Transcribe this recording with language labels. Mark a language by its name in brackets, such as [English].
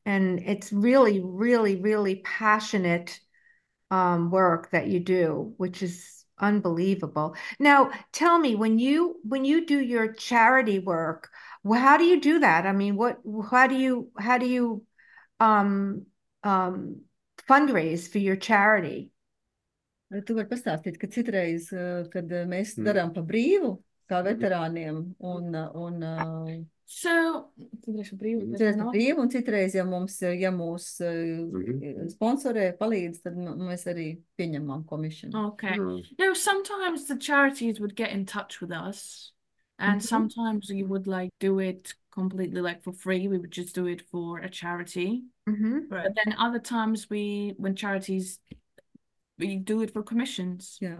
[English] And it's really, really, really passionate work that you do, which is unbelievable. Now, tell me, when you do your charity work, how do you do that? I mean, how do you fundraise for your charity? [Latvian] Tu var pastāstīt, ka citreiz, kad mēs darām pa brīvu, kā veterāniem, un citreiz, ja mūs sponsorē, palīdz, tad mēs arī pieņemam komisiju. [English] Okay. Mm-hmm. No, sometimes the charities would get in touch with us, and sometimes you would like do it completely like for free. We would just do it for a charity. Mm-hmm. But then other times we do it for commissions.